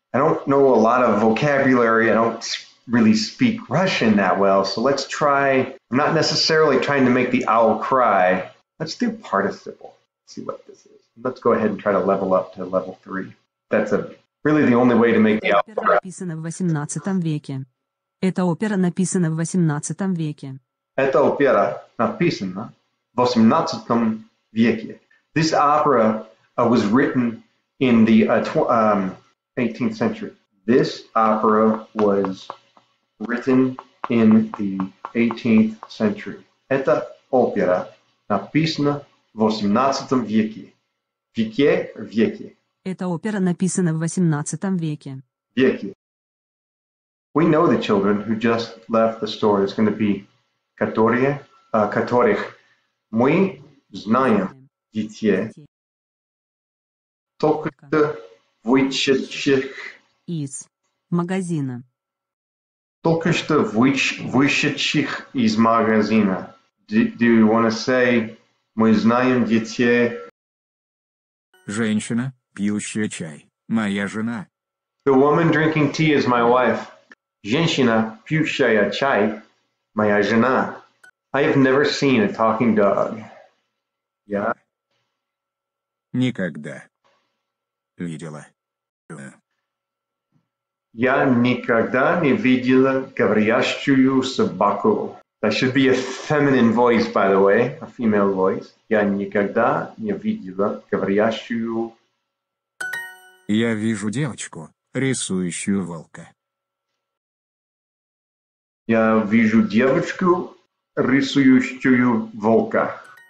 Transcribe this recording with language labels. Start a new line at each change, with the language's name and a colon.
English: I don't know a lot of vocabulary. I don't really speak Russian that well. So let's try, I'm not necessarily trying to make the owl cry. Let's do participle, see what this is. Let's go ahead and try to level up to level three. That's really the only way to make the owl cry.
Russian: Эта опера написана в 18 веке. Эта опера написана в 18 веке.
English: This opera was written in the 18th century. This opera was written in the 18th century.
Russian: Эта опера написана в 18 веке. Веке, веке. Эта опера написана в 18 веке. Веке.
English: We know the children who just left the store. It's going to be
Russian: которых мы знаем детей. Только что вышедших из магазина. Только что вышедших из магазина.
English: Do you want to say
Russian: мы знаем детей? Женщина, пьющая чай. Моя жена.
English: The woman drinking tea is my wife.
Russian: Женщина, пьющая чай. Моя жена.
English: I have never seen a talking dog. Yeah.
Russian: Никогда. Видела. Я никогда не видела говорящую собаку.
English: That should be a feminine voice, by the way, a female voice.
Russian: Я никогда не видела говорящую. Я вижу девочку, рисующую волка. Я вижу девочку, рисующую волка.